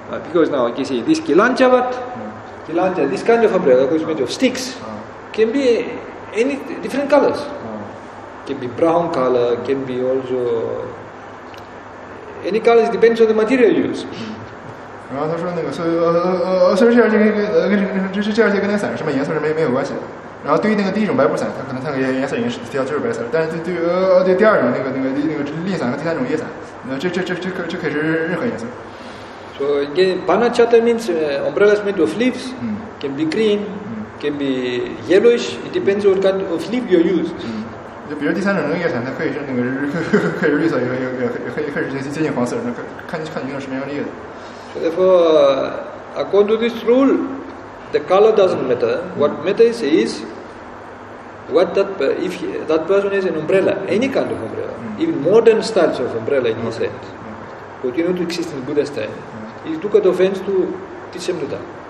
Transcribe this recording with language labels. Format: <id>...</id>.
<en>Because now you see this kilancha, this kind of umbrella, which is made of sticks, can be any different colors. Can be brown color, can be also any colors, depends on the material you use.</en> <zh>然后他说那个，所以这件这个这件这个那伞什么颜色是没有关系的。然后对于那个第一种白布伞，它可能它的颜色已经是比较就是白色，但是对第二种那个栗伞和第三种叶伞，这可以是任何颜色。</zh> <en>So again, panachata means umbrellas made of leaves, can be green, can be yellowish. It depends what kind of leaf you use.</en> <zh>就比如第三种那个叶伞，它可以是那个可以绿色，也可以是接近黄色，那看你用什么样的叶子。</zh> <en>So therefore, according to this rule. The color doesn't matter. What matters is what that if that person has an umbrella, any kind of umbrella, even modern styles of umbrella in his hand, but you know to exist in Buddha's time, he took an offense to teach him to that.</en>